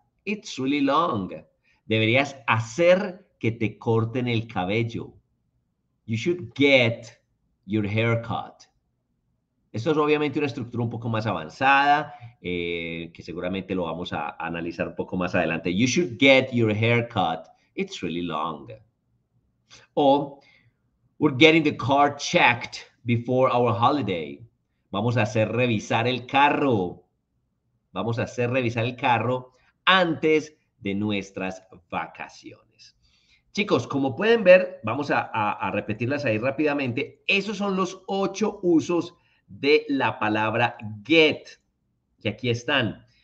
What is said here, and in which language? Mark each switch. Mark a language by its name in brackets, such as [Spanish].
[English] It's really long. [Spanish] Deberías hacer que te corten el cabello. [English] You should get your hair cut. [Spanish] Esto es obviamente una estructura un poco más avanzada, que seguramente lo vamos a analizar un poco más adelante. [English] You should get your hair cut. It's really long. O, we're getting the car checked before our holiday. [Spanish] Vamos a hacer revisar el carro. Vamos a hacer revisar el carro antes de nuestras vacaciones. Chicos, como pueden ver, vamos a repetirlas ahí rápidamente. Esos son los 8 usos de la palabra get. Y aquí están.